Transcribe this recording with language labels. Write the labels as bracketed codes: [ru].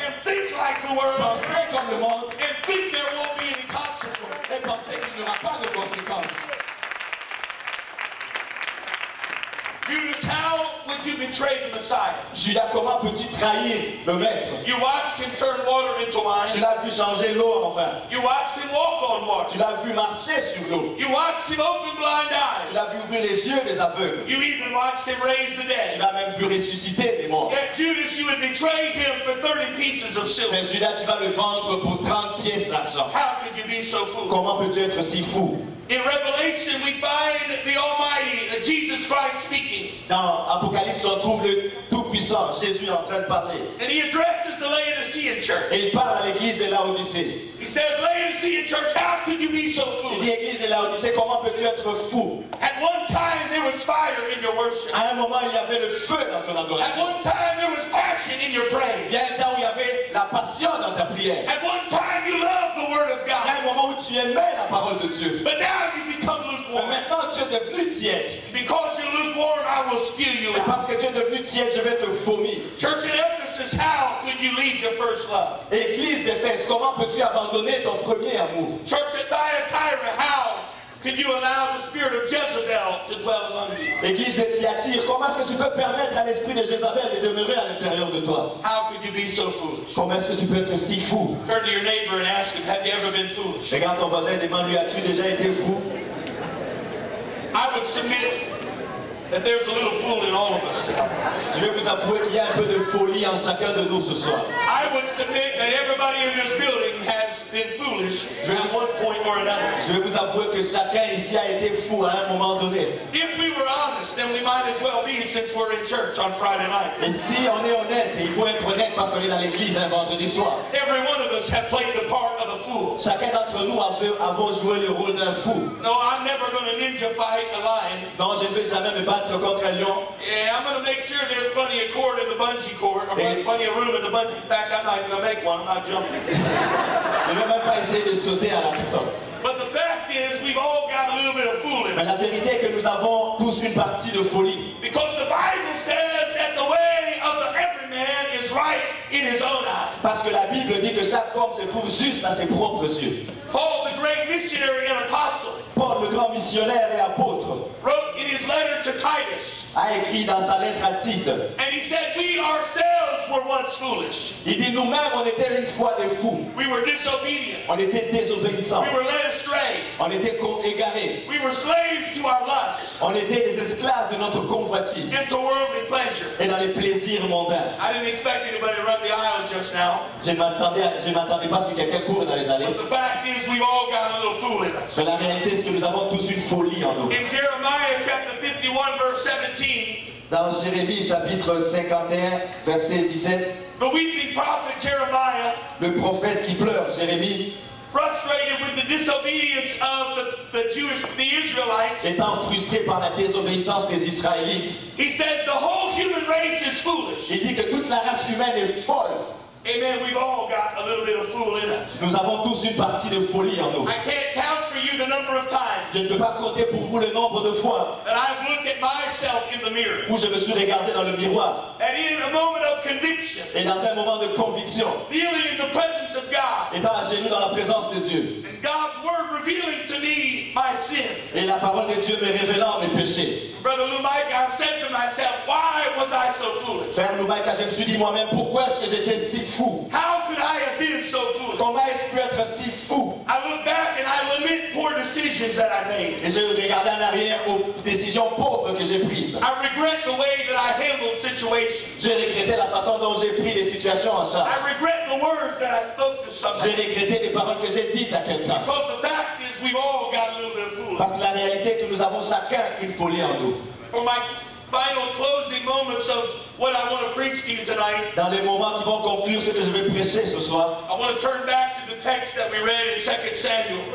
[en] and think like the world, [fr] penser comme le monde, [en] and think there won't be any consequences. [fr] Et penser qu'il n'y aura pas de conséquences. [en] Judas, how would you betray the Messiah? [fr] Judas, comment peux-tu trahir le maître? [en] You watched him turn water into wine. [fr] Tu l'as vu changer l'eau en vin. [en] You watched him walk on water. [fr] Tu l'as vu marcher sur l'eau. [en] You watched him open blind eyes. [fr] Tu l'as vu ouvrir les yeux des aveugles. [en] You even watched him raise the dead. [fr] Tu l'as même vu ressusciter des morts. [en] Yet Judas, you would betray him for 30 pieces of silver. [fr] Mais Judas, tu vas le vendre pour 30 pièces d'argent. [en] How could you be so fool? [fr] Comment peux-tu être si fou? [en] In Revelation, we find the Almighty, Jesus Christ, speaking. [fr] Dans Apocalypse, on trouve le Tout-Puissant, Jésus, en train de parler. [en] And he addresses the Laodicean church. [fr] Et il parle à l'église de Laodicée. [en] He says, Laodicean church, how could you be so foolish? [fr] Il dit, église de Laodicée, comment peux-tu être fou? [en] At one time, there was fire in your worship. [fr] À un moment, il y avait le feu dans ton adoration. [en] At one time, there was passion in your praise. [fr] Il y a un temps où il y avait la passion dans ta prière. [en] At one time, you loved the word of God. [fr] Il y a un moment où tu aimais la parole de Dieu. [en] But now, now you become lukewarm. [fr] Mais maintenant tu es devenu tiède. [en] Because you're lukewarm, I will spew you out. [fr] Parce que tu es devenu tiède, je vais te vomir. [en] Church in Ephesus, how could you leave your first love? [fr] Église d'Éphèse, comment peux-tu abandonner ton premier amour? [en] Church at Thyatira, how could you allow the spirit of Jezebel to dwell among you? [fr] Église de Thyatire, comment est-ce que tu peux permettre à l'esprit de Jézabel de demeurer à l'intérieur de toi? [en] How could you be so foolish? [fr] Comment est-ce que tu peux être si fou? [en] Turn to your neighbor and ask him, have you ever been foolish? [fr] Regarde ton voisin et demande-lui, as-tu déjà été fou? [en] I would submit that there's a little fool in all of us. [fr] Je vais vous avouer qu'il y a un peu de folie en chacun de nous ce soir. [en] I would submit that everybody in this building has been foolish at one point or another. [fr] Je vais vous avouer que chacun ici a été fou à un moment donné. [en] If we were honest, then we might as well be, since we're in church on Friday night. [fr] Et si on est honnête, et il faut être honnête parce qu'on est dans l'église un vendredi soir. [en] Every one of us have played the part of a fool. [fr] Chacun d'entre nous avons joué le rôle d'un fou. [en] No, I'm never going to ninja fight a lion. [fr] Non, je ne vais jamais me battre contre un lion. [en] Yeah, I'm going to make sure there's plenty of cord in the bungee cord, or plenty of room in the bungee. In fact, I'm not going to make one. I'm not jumping. [fr] Je ne vais même pas essayer de sauter à la pente. [en] But the fact is, we've all got a little bit of fooling. [fr] Mais la vérité est que nous avons tous une partie de folie. [en] Because the Bible says that the way of the every man is right in his own eyes. [fr] Parce que la Bible dit que chaque homme se trouve juste à ses propres yeux. [en] Paul, the great missionary and apostle, [fr] Paul, le grand missionnaire et apôtre, [en] wrote in his letter to Titus, [fr] a écrit dans sa lettre à Tite, [en] and he said, we ourselves were once foolish. [fr] Il dit, nous-mêmes, on était une fois des fous. [en] We were disobedient. [fr] On était désobéissants. [en] We were led astray. [fr] On était égarés. [en] We were slaves to our lusts. [fr] On était des esclaves de notre convoitise. [en] Into worldly pleasure. [fr] Et dans les plaisirs mondains. [en] I didn't expect anybody to run the aisles just now. [fr] Je m'attendais pas à ce que quelqu'un court dans les allées. [en] But the fact is, we've all got a little fool in us. [fr] Mais la réalité, c'est que nous avons tous une folie en nous. [en] In Jeremiah chapter 51, verse 17. [fr] Dans Jérémie chapitre 51, verset 17. [en] The weeping prophet Jeremiah. [fr] Le prophète qui pleure, Jérémie. [en] Frustrated with the disobedience of the Israelites. [fr] Étant frustré par la désobéissance des Israélites. [en] He said the whole human race is foolish. [fr] Il dit que toute la race humaine est folle. [en] Amen. We've all got a little bit of fool in us. [fr] Nous avons tous une partie de folie en nous. [en] I can't count for for you the number of times. [fr] Je ne peux pas compter pour vous le nombre de fois. [en] That I've looked at myself in the mirror. [fr] Où je me suis regardé dans le miroir. [en] And in a moment of conviction. [fr] Et dans un moment de conviction. [en] Feeling in the presence of God. [fr] Étant à genoux dans la présence de Dieu. [en] And God's word revealing to me my sin. [fr] Et la parole de Dieu me révélant mes péchés. [en] Brother Lumaika, I said to myself, why was I so foolish? [fr] Frère Lumaika, je me suis dit moi-même, pourquoi est-ce que j'étais si fou? [en] How could I have been so foolish? [fr] Comment est-ce que être si fou? [en] I look back and I lament poor decisions that I made. [fr] Et je regardais en arrière aux décisions pauvres que j'ai prises. [en] I regret the way that I handled situations. [fr] Je regrettais la façon dont j'ai pris les situations en charge. [en] I regret the words that I spoke to somebody. [fr] Je regrettais les paroles que j'ai dites à quelqu'un. [en] Because the fact is, we've all got a little bit of foolish. [fr] Parce que la réalité est que nous avons chacun une folie en nous. [en] For my final closing moments of what I want to preach to you tonight. [fr] Dans les moments qui vont conclure ce que je vais prêcher ce soir. [en] I want to turn back to the text that we read in 2 Samuel.